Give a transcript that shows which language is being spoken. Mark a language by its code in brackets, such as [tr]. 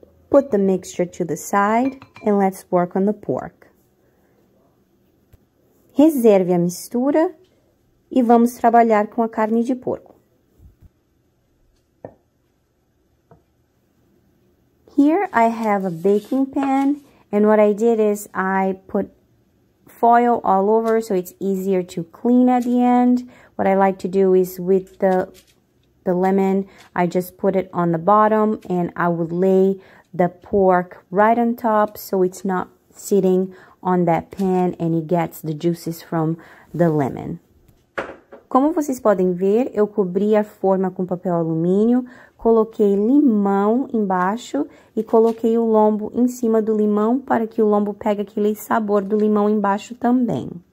[en] Put the mixture to the side and let's work on the pork. [pt] Reserve a mistura e vamos trabalhar com a carne de porco. [en] Here I have a baking pan, and what I did is I put foil all over so it's easier to clean at the end. What I like to do is with the lemon, I just put it on the bottom and I would lay the pork right on top so it's not sitting on that pan and it gets the juices from the lemon. [pt] Como vocês podem ver, eu cobri a forma com papel alumínio, coloquei limão embaixo e coloquei o lombo em cima do limão para que o lombo pegue aquele sabor do limão embaixo também.